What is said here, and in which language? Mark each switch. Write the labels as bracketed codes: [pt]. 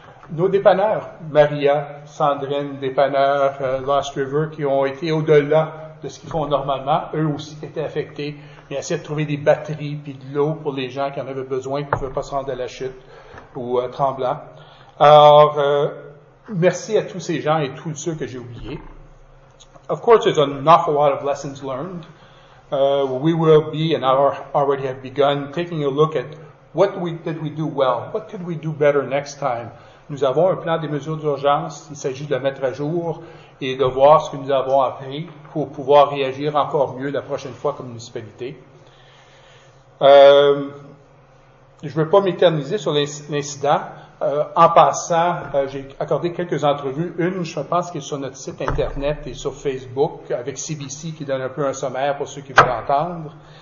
[fr] Nos dépanneurs, Maria, Sandrine, dépanneurs Lost River, qui ont été au-delà de ce qu'ils font normalement, eux aussi étaient affectés, mais essayaient de trouver des batteries puis de l'eau pour les gens qui en avaient besoin et qui ne pouvaient pas se rendre à la chute ou tremblant. Alors, merci à tous ces gens et tous ceux que j'ai oubliés. [en] Of course, there's an awful lot of lessons learned. We will be, and already have begun, taking a look at what did we do well, what could we do better next time. [fr] Nous avons un plan des mesures d'urgence, il s'agit de le mettre à jour et de voir ce que nous avons appris pour pouvoir réagir encore mieux la prochaine fois comme municipalité. Je ne veux pas m'éterniser sur l'incident. En passant, j'ai accordé quelques entrevues. Une, je pense, qui est sur notre site Internet et sur Facebook, avec CBC qui donne un peu un sommaire pour ceux qui veulent entendre.